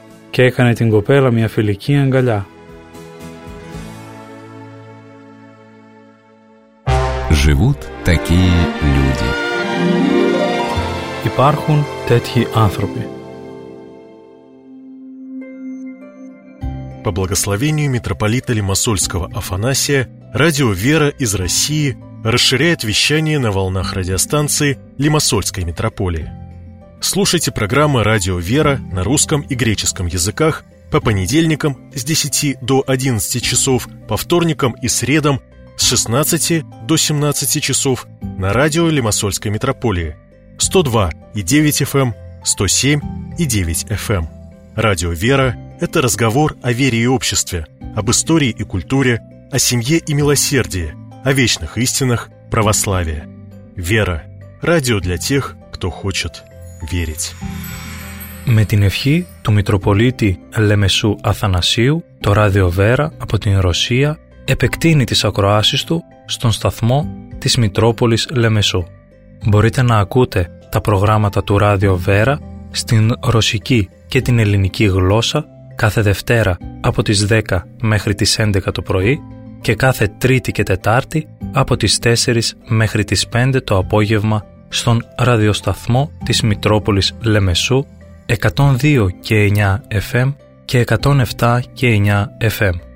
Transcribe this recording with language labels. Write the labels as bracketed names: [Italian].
[Greek] Και έκανε την κοπέλα μια φιλική αγκαλιά. [Russian] Живут такие люди. [Greek] Υπάρχουν τέτοιοι άνθρωποι. [Russian] По благословению митрополита Лимассольского Афанасия, радио «Вера» из России расширяет вещание на волнах радиостанции Лимассольской митрополии. Слушайте программы «Радио «Вера» на русском и греческом языках по понедельникам с 10 до 11 часов, по вторникам и средам с 16 до 17 часов на радио Лимассольской митрополии 102.9 FM, 107.9 FM. Радио «Вера» — это разговор о вере и обществе, об истории и культуре, о семье и милосердии, о вечных истинах православия. «Вера» — радио для тех, кто хочет верить. [Greek] Με την ευχή του Митрополита Λεμεσού Αθανασίου, το Ράδιο Βέρα από την Ρωσία επεκτείνει τις ακροάσεις του στον σταθμό της Μητρόπολης Λεμεσού. Μπορείτε να ακούτε τα προγράμματα του Ράδιο Βέρα στην ρωσική και την ελληνική γλώσσα κάθε Δευτέρα από τις 10 μέχρι τις 11 το πρωί και κάθε Τρίτη και Τετάρτη από τις 4 μέχρι τις 5 το απόγευμα στον ραδιοσταθμό της Μητρόπολης Λεμεσού 102.9 FM και 107.9 FM.